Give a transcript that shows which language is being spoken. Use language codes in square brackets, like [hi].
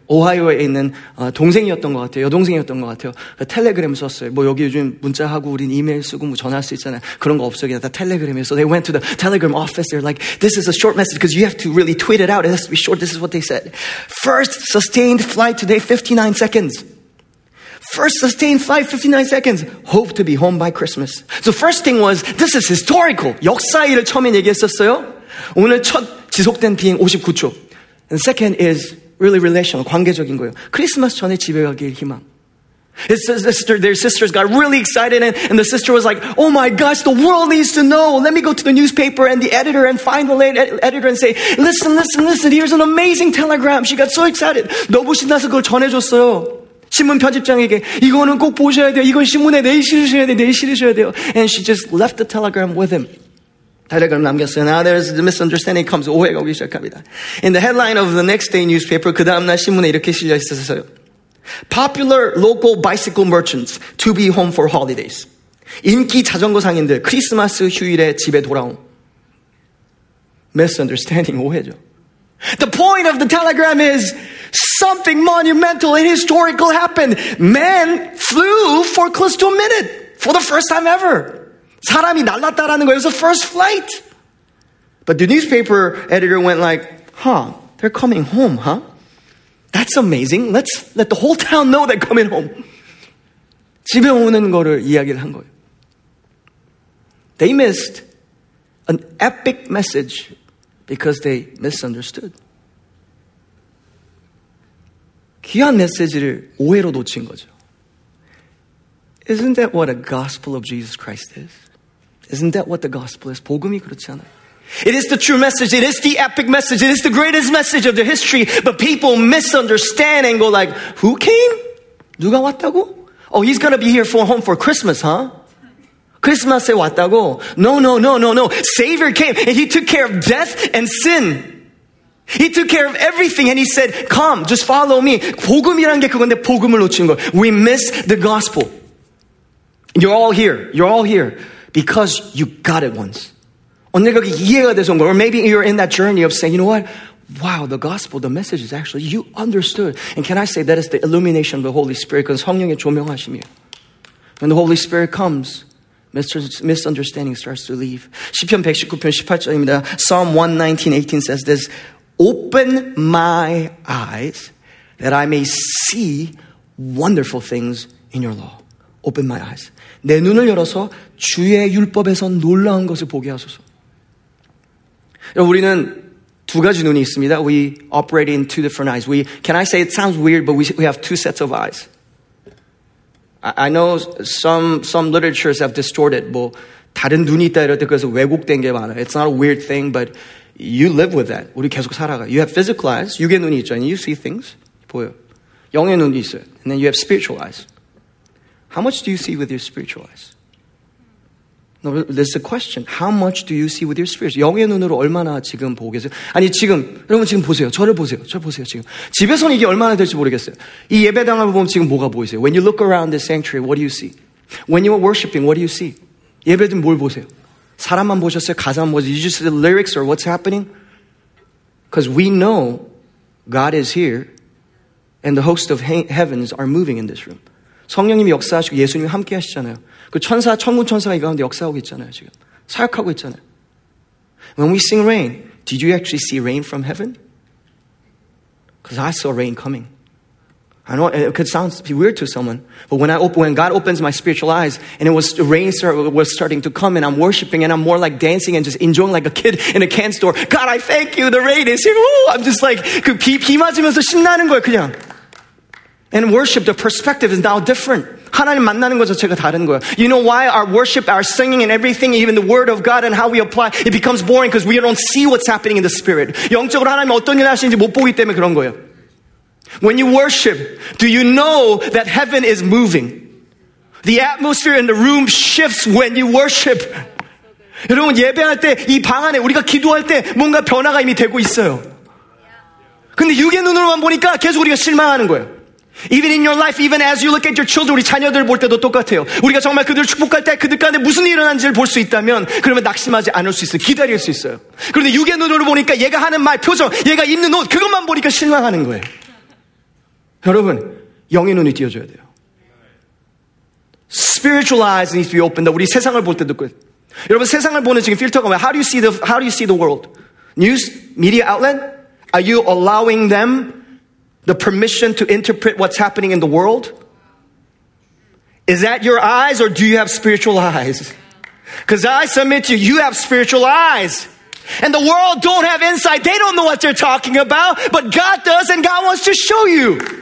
[ko] Ohio에 있는 동생이었던 것 같아요. 여동생이었던 것 같아요. 텔레그램 썼어요. 뭐 여기 요즘 문자하고 우린 이메일 쓰고 뭐 전화할 수 있잖아요. 그런 거 없어요. 그냥 다 텔레그램이에요. [en] So they went to the telegram office. They're like, this is a short message because you have to really tweet it out. It has to be short. This is what they said. First sustained flight today, 59 seconds. First sustained flight, 59 seconds. Hope to be home by Christmas. So first thing was, this is historical. [ko] 역사일을 처음에 얘기했었어요. 오늘 첫 지속된 비행 59초. [en] And second is really relational, [ko] 관계적인 거예요. 크리스마스 전에 집에 가길 희망. [en] His sister, their sisters got really excited and the sister was like, oh my gosh, the world needs to know. Let me go to the newspaper and the editor and find the late editor and say, listen, here's an amazing telegram. She got so excited. [ko] 너무 신나서 그걸 전해줬어요. 신문 편집장에게 이거는 꼭 보셔야 돼요. 이건 신문에 내일 실으셔야 돼요. 내일 실으셔야 돼요. [en] And she just left the telegram with him. [ko] 텔레그램 남겼어요. [en] Now there's the misunderstanding comes. [ko] 오해가 오기 시작합니다. [en] In the headline of the next day newspaper, [ko] 그 다음날 신문에 이렇게 실려 있었어요. [en] Popular local bicycle merchants to be home for holidays. [ko] 인기 자전거 상인들 크리스마스 휴일에 집에 돌아옴. [en] Misunderstanding, [ko] 오해죠. [en] The point of the telegram is something monumental and historical happened. Man flew for close to a minute for the first time ever. [ko] 사람이 날랐다라는 거예요. [en] It was the first flight. But the newspaper editor went like, huh, they're coming home, huh? That's amazing. Let's let the whole town know they're coming home. [ko] 집에 오는 거를 이야기를 한 거예요. [en] They missed an epic message because they misunderstood. [ko] 귀한 메시지를 오해로 놓친 거죠. [en] Isn't that what a gospel of Jesus Christ is? Isn't that what the gospel is? [ko] 복음이 그렇지 않아요. [en] It is the true message. It is the epic message. It is the greatest message of the history. But people misunderstand and go like, who came? [ko] 누가 왔다고? [en] Oh, he's going to be here for home for Christmas, huh? [ko] 크리스마스에 왔다고? [en] No. Savior came and he took care of death and sin. He took care of everything and he said, come, just follow me. [ko] 복음이란 게 그건데 복음을 놓친 거. [en] We miss the gospel. You're all here. You're all here because you got it once. [ko] 언니가 이해가 돼서 온 거. [en] Or maybe you're in that journey of saying, you know what? Wow, the gospel, the message is actually, you understood. And can I say that is the illumination of the Holy Spirit? Because [ko] 성령의 조명하심이에요. [en] When the Holy Spirit comes, misunderstanding starts to leave. [ko] 시편 119편 18절입니다. [en] Psalm 119, 18 says this, open my eyes that I may see wonderful things in your law. Open my eyes. [ko] 내 눈을 열어서 주의 율법에서 놀라운 것을 보게 하소서. 여러분, 우리는 두 가지 눈이 있습니다. [en] We operate in two different eyes. Can I say it sounds weird, but we have two sets of eyes. I know some literatures have distorted. [ko] 뭐 다른 눈이 있다 이럴 때 그래서 왜곡된 게 많아. [en] It's not a weird thing, but you live with that. [ko] 우리 계속 살아가. [en] You have physical eyes. [ko] 육의 눈이 있죠. [en] And you see things. [ko] 보여. 영의 눈이 있어요. [en] And then you have spiritual eyes. How much do you see with your spiritual eyes? No, there's a question. How much do you see with your spirit? [ko] 영의 눈으로 얼마나 지금 보고 계세요? 아니, 지금, 여러분 지금 보세요. 저를 보세요. 저를 보세요, 지금. 집에서는 이게 얼마나 될지 모르겠어요. 이 예배당을 보면 지금 뭐가 보이세요? [en] When you look around the sanctuary, what do you see? When you are worshiping, what do you see? [ko] 예배든 뭘 보세요? 사람만 보셨어요? 가사만 보셨어요? [en] You just see the lyrics or what's happening? Because we know God is here and the host of heavens are moving in this room. [ko] 성령님이 역사하시고 예수님이 함께 하시잖아요. 그 천사, 천군 천사가 이 가운데 역사하고 있잖아요, 지금. 사역하고 있잖아요. [en] When we sing rain, did you actually see rain from heaven? Because I saw rain coming. I know it could sound weird to someone, but when God opens my spiritual eyes and it was rain was starting to come and I'm worshiping and I'm more like dancing and just enjoying like a kid in a can store. God, I thank you. The rain is here. Ooh, I'm just like, [ko] 그 비 맞으면서 신나는 거예요, 그냥. [en] And worship, the perspective is now different. [ko] 하나님 만나는 것 자체가 다른 거야. [en] You know why our worship, our singing and everything, even the word of God and how we apply, it becomes boring because we don't see what's happening in the spirit. [ko] 영적으로 하나님 어떤 일을 하시는지 못 보기 때문에 그런 거예요. [en] When you worship, do you know that heaven is moving? The atmosphere in the room shifts when you worship. [ko] 여러분 예배할 때 이 방 안에 우리가 기도할 때 뭔가 변화가 이미 되고 있어요. 근데 육의 눈으로만 보니까 계속 우리가 실망하는 거예요. [en] Even in your life, even as you look at your children, [ko] 우리 자녀들을 볼 때도 똑같아요. 우리가 정말 그들을 축복할 때 그들 가운데 무슨 일이 일어난지를 볼 수 있다면 그러면 낙심하지 않을 수 있어요. 기다릴 수 있어요. 그런데 육의 눈으로 보니까 얘가 하는 말, 표정, 얘가 입는 옷 그것만 보니까 실망하는 거예요. 여러분, 영의 눈이 띄워줘야 돼요. [en] Spiritual eyes need to be opened. [ko] 우리 세상을 볼 때도 그래요. 여러분, 세상을 보는 지금 필터가 뭐예요? [en] How do you see the world? News? Media outlet? Are you allowing them the permission to interpret what's happening in the world? Is that your eyes or do you have spiritual eyes? Because I submit to you, you have spiritual eyes. And the world don't have insight. They don't know what they're talking about. But God does and God wants to show you.